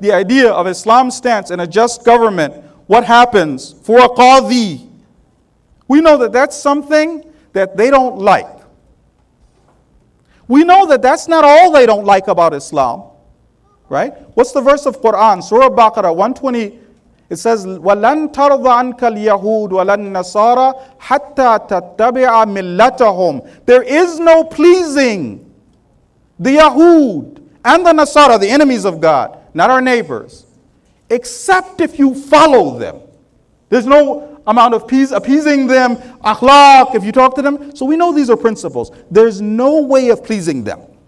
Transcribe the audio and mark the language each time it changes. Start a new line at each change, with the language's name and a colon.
English: The idea of Islam's stance and a just government, what happens for a qadi? We know that that's something that they don't like. We know that that's not all they don't like about Islam, right? What's the verse of Quran, Surah Baqarah 120? It says,
Arabic: وَلَنْ تَرْضَ عَنْكَ الْيَهُودُ وَلَنْ نَصَارَ حَتَّى تَتَّبِعَ مِلَّتَهُمْ.
English: There is no pleasing the Yahud and the Nasara, the enemies of God, not our neighbors, except if you follow them. There's no amount of peace, appeasing them, akhlaq, if you talk to them. So we know these are principles. There's no way of pleasing them.